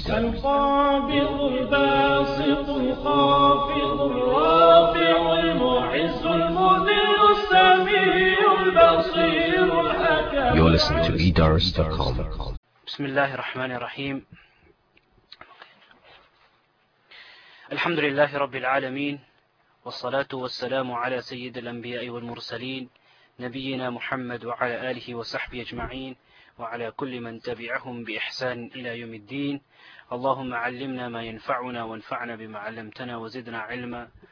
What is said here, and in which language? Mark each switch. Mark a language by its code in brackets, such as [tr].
[ar] القابض الباسط الخافض الرافع المعز المذل السميع البصير الحكيم. [en] You're listening to Eidars.com. [ar] بسم الله الرحمن الرحيم. الحمد لله رب العالمين، والصلاة والسلام على سيد الأنبياء والمرسلين نبينا محمد وعلى آله وصحبه أجمعين، وعلى كل من تبعهم بإحسان إلى يوم الدين. اللهم علمنا ما ينفعنا، وانفعنا بما علمتنا، وزدنا علما.